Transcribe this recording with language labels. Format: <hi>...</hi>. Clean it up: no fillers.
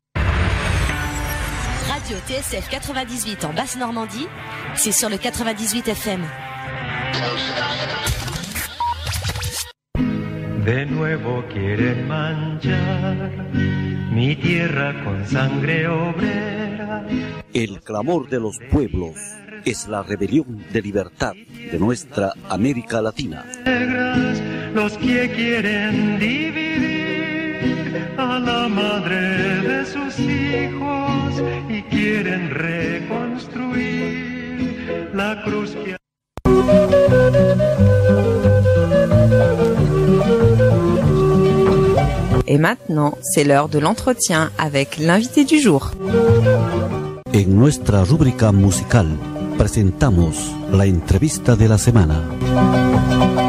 <fr>radio TSF 98 en Basse-Normandie, c'est sur le 98 FM.</fr> <es>De nuevo quieren manchar mi tierra con sangre obrera. El clamor de los pueblos es la rebelión de libertad de nuestra América Latina. Los que quieren dividir a la madre de sus hijos y quieren reconstruir la cruz que...</es> <fr>Et maintenant, c'est l'heure de l'entretien avec l'invité du jour.</fr> <es>En nuestra rubrica musical, presentamos la entrevista de la semana.</es>